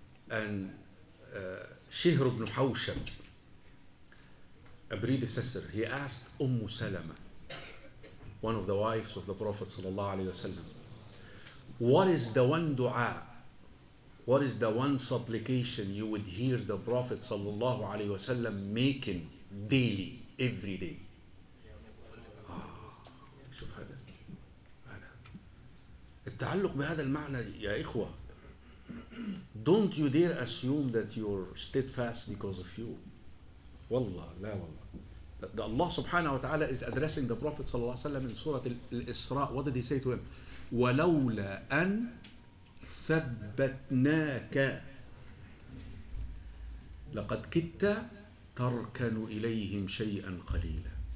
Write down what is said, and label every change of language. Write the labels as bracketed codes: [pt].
[en] And Shihr ibn Hawshab, a predecessor, he asked Umm Salama, one of the wives of the Prophet sallallahu alayhi wasallam, what is the one dua, what is the one supplication you would hear the Prophet sallallahu alayhi wasallam making daily, every day? [ar] شوف هذا التعلق بهذا المعنى يا إخوة. [en] Don't you dare assume that you're steadfast because of you. [ar] والله لا والله. [en] Allah subhanahu wa ta'ala is addressing the Prophet sallallahu alayhi wa sallam in Surah Al-Isra. What did he say to him? [ar] وَلَوْلَا أَن ثَبَّتْنَاكَ لَقَدْ كِتَّ تَرْكَنُ إِلَيْهِمْ شَيْئًا قَلِيلًا.